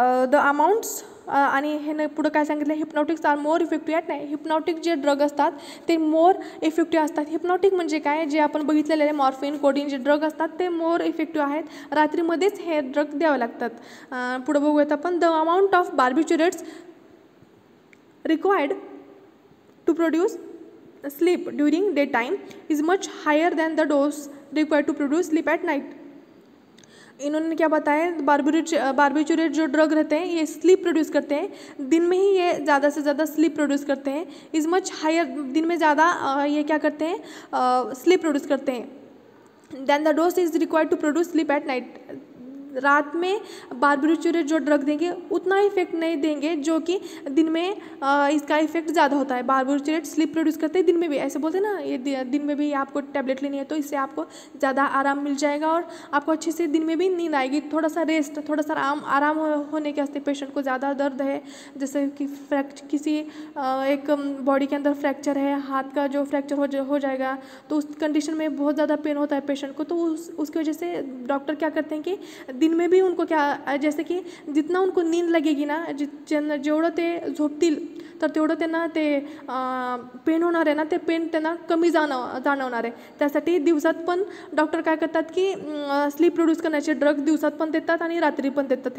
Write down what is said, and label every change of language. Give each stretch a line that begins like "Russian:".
Marathi: The amounts आणि ह्याने पुढं काय सांगितलं? हिप्नॉटिक्स आर मोर इफेक्टिव्ह आहेत. नाही, हिप्नॉटिक जे ड्रग असतात ते मोर इफेक्टिव्ह असतात. हिप्नॉटिक म्हणजे काय? जे आपण बघितलेले आहे मॉर्फिन कोडिन जे ड्रग असतात ते मोर इफेक्टिव्ह आहेत. रात्रीमध्येच हे ड्रग द्यावे लागतात. पुढं बघूयात आपण.
English: The amount of barbiturates required to produce sleep during day time is much higher than the dose required to produce sleep at night.
Hindi: इन्होंने क्या बताया? बार्ब्युच्युरेट जो ड्रग रहते हैं ये स्लीप प्रोड्यूस करते हैं. दिन में ही ये ज़्यादा से ज़्यादा स्लीप प्रोड्यूस करते हैं.
English: is much higher,
Hindi: दिन में ज़्यादा ये क्या करते हैं? स्लीप प्रोड्यूस करते हैं.
English: Then the dose is required to produce sleep at night.
Hindi: रात में बार्ब्युच्युरेट जो ड्रग देंगे उतना इफेक्ट नहीं देंगे जो कि दिन में इसका इफेक्ट ज़्यादा होता है. बार्ब्युच्युरेट स्लीप प्रोड्यूस करते हैं दिन में भी, ऐसे बोलते हैं ना, ये दिन में भी आपको टैबलेट लेनी है तो इससे आपको ज़्यादा आराम मिल जाएगा और आपको अच्छे से दिन में भी नींद आएगी. थोड़ा सा रेस्ट, थोड़ा सा आराम होने के वास्ते पेशेंट को ज़्यादा दर्द है जैसे कि किसी एक बॉडी के अंदर फ्रैक्चर है, हाथ का जो फ्रैक्चर हो जाएगा तो उस कंडीशन में बहुत ज़्यादा पेन होता है पेशेंट को. तो उसकी वजह से डॉक्टर क्या करते हैं कि दिन में भी उनको क्या, जैसे कि जितना उनको नींद लगेगी ना
Marathi: जेवढं ते झोपतील तर तेवढं त्यांना ते पेन होणार आहे ना, ते पेन त्यांना कमी जाणवणार आहे. त्यासाठी दिवसात पण डॉक्टर काय करतात की स्लीप प्रोड्यूस करण्याचे ड्रग दिवसात पण देतात आणि रात्री पण देतात.